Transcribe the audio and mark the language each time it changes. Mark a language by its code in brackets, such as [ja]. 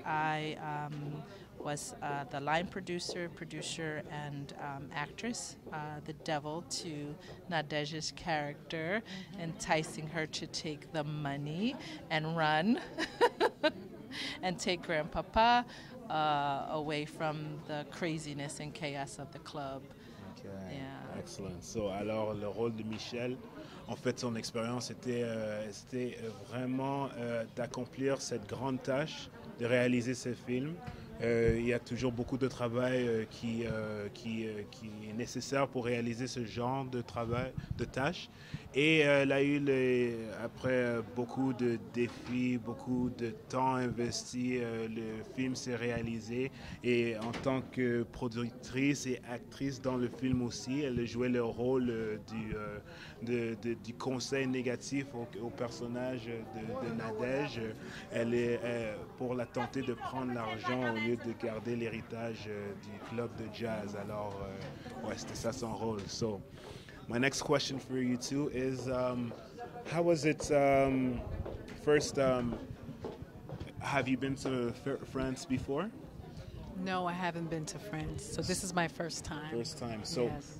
[en] I was the line producer, and actress, the devil to Nadhege's character, enticing her to take the money and run and take Grandpapa away from the craziness and chaos of the club. Yeah. Excellent. [fr] So, alors, le rôle de Michele, en fait, son expérience était, c'était vraiment d'accomplir cette grande tâche, de réaliser ce film. Il y a toujours beaucoup de travail qui est nécessaire pour réaliser ce genre de travail, de tâche. Et elle a eu, après beaucoup de défis, beaucoup de temps investi, le film s'est réalisé. Et en tant que productrice et actrice dans le film aussi, elle jouait le rôle du conseil négatif au personnage de Nadhege. Elle est pour la tenter de prendre l'argent au lieu de garder l'héritage du club de jazz. Alors, ouais, c'était ça son rôle. [en] So, my next question for you two is, how was it, first, have you been to France before? No, I haven't been to France, so this is my first time. First time. So, yes.